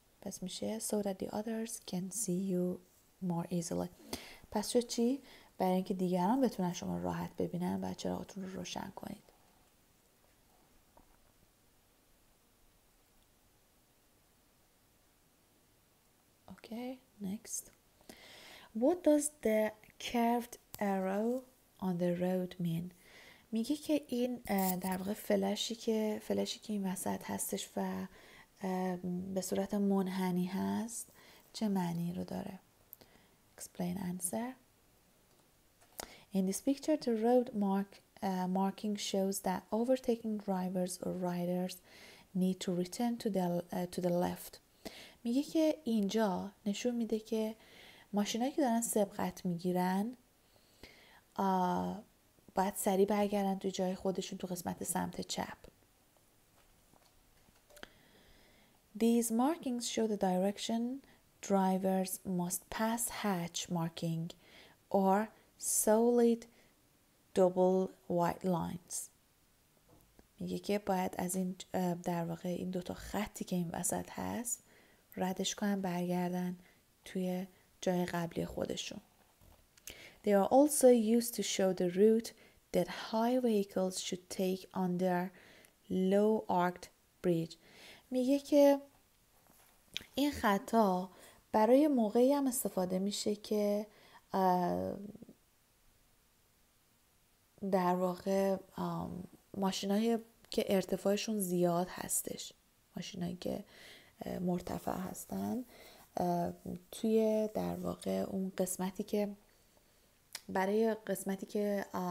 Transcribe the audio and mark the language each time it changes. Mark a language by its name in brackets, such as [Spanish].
[Persian] پس میشه [English] so that the others can see you more easily. [Persian] پس شو چی؟ برای اینکه دیگران بتونن شما راحت ببینن و چراغتون رو روشن کنید. [English] Okay, next. What does the curved arrow on the road mean? [Persian] میگه که این در واقع فلشی که این وسط هستش و به صورت منحنی هست چه معنی رو داره؟ [English] Explain answer. In this picture the road marking shows that overtaking drivers or riders need to return to the left. [Persian] میگه که اینجا نشون میده که ماشینایی که دارن سبقت میگیرن باید سریع برگردن تو جای خودشون تو قسمت سمت چپ. [English] These markings show the direction drivers must pass hatch marking or solid double white lines. [Persian] میگه که باید از این در واقع این دو تا خطی که این وسط هست ردش کنن برگردن توی جای قبلی خودشون. [English] They are also used to show the route that high vehicles should take under low arched bridge. [Persian] میگه که این خطا برای موقعی هم استفاده میشه که در واقع ماشینایی که ارتفاعشون زیاد هستش، ماشینایی که مرتفع هستن توی در واقع اون قسمتی که برای قسمتی که